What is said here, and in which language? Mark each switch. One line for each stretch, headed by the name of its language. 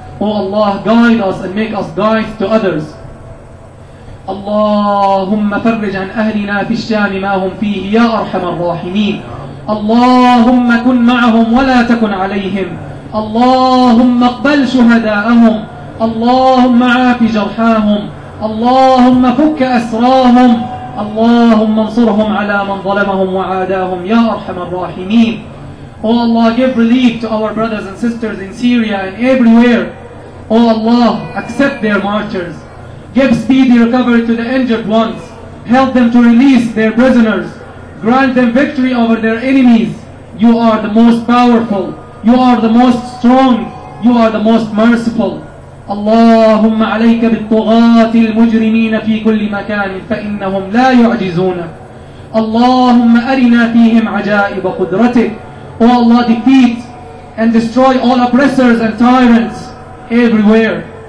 English: Oh Allah, guide us and make us guides to others.
Arabic: اللهم فرج عن أهلنا في الشام ما هم فيه يا أرحم الراحمين. اللهم كن معهم ولا تكن عليهم. اللهم اقبل شهداءهم. اللهم عاف جرحاهم. اللهم فك أسراهم، اللهم انصرهم على من ظلمهم وعاداهم يا أرحم الراحمين.
English: Oh Allah, give relief to our brothers and sisters in Syria and everywhere. Oh Allah, accept their martyrs. Give speedy recovery to the injured ones. Help them to release their prisoners. Grant them victory over their enemies. You are the most powerful. You are the most strong. You are the most merciful.
Arabic: اللهم عليك بالطغاة المجرمين في كل مكان فإنهم لا يعجزونك. اللهم أرنا فيهم عجائب قدرتك.
English: Oh Allah, defeat and destroy all oppressors and tyrants everywhere.